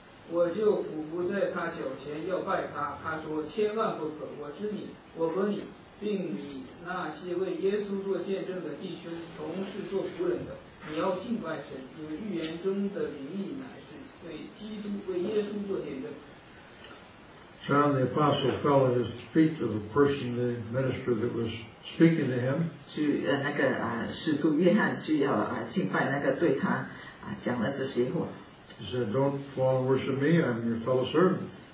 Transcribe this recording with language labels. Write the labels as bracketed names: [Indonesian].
[Chinese] 我就俯伏在他脚前要拜他，他说千万不可，我知你，我和你并你那些为耶稣做见证的弟兄同是做仆人的，你要敬拜神，因为预言中的灵意乃是对基督为耶稣做见证。 [English] John the apostle fell at his feet of the person, the minister that was speaking to him. [Chinese] 去那个使徒约翰去要敬拜那个对他讲了这些话。 [English] He said, don't fall and worship me, I'm your fellow servant.